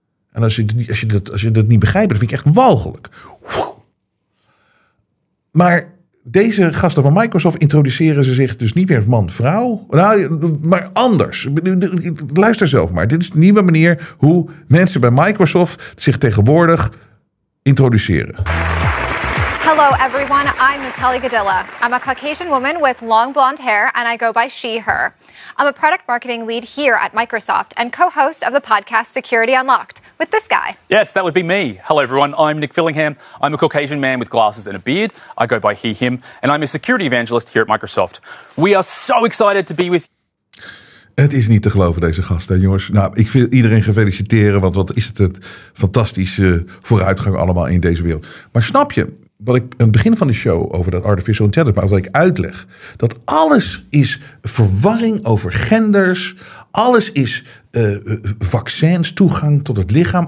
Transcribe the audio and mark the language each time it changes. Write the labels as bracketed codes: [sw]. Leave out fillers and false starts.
[nl] En als je dat niet begrijpt, dan vind ik echt walgelijk. Maar deze gasten van Microsoft introduceren ze zich dus niet meer man-vrouw. Nou, maar anders. Luister zelf maar. Dit is de nieuwe manier hoe mensen bij Microsoft zich tegenwoordig introduceren. [en] Hello everyone, I'm Natalie Gadilla. I'm a Caucasian woman with long blonde hair and I go by she, her. I'm a product marketing lead here at Microsoft and co-host of the podcast Security Unlocked with this guy. Yes, that would be me. Hello everyone, I'm Nick Fillingham. I'm a Caucasian man with glasses and a beard. I go by he, him, and I'm a security evangelist here at Microsoft. We are so excited to be with you. [nl] Het is niet te geloven, deze gasten, jongens. Nou, ik wil iedereen feliciteren, want wat is het een fantastische vooruitgang allemaal in deze wereld. Maar snap je wat ik aan het begin van de show over dat artificial intelligence, maar wat ik uitleg, dat alles is verwarring over genders, alles is vaccins, toegang tot het lichaam.